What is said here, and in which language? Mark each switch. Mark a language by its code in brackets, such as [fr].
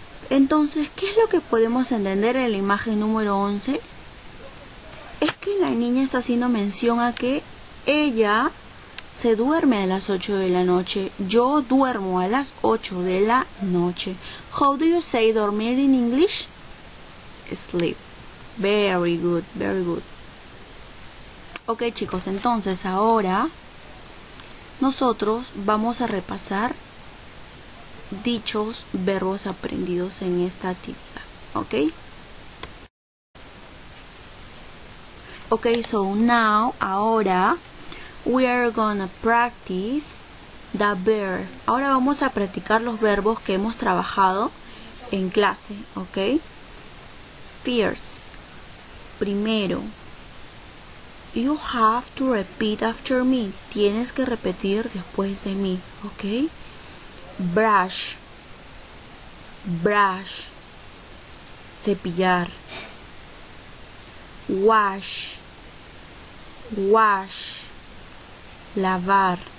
[es] Entonces, ¿qué es lo que podemos entender en la imagen número 11? Es que la niña está haciendo mención a que ella se duerme a las 8 de la noche. Yo duermo a las 8 de la noche. [en] How do you say dormir in English? Sleep. Very good, very good. [es] Ok, chicos, entonces ahora nosotros vamos a repasar dichos verbos aprendidos en esta actividad, ¿ok? [en] Ok, so now, ahora, we are gonna practice the verb. [es] Ahora vamos a practicar los verbos que hemos trabajado en clase, ¿ok? [en] First, primero. You have to repeat after me. [es] Tienes que repetir después de mí, ¿ok? [en] Brush. Brush. Cepillar. Wash. Wash. Lavar.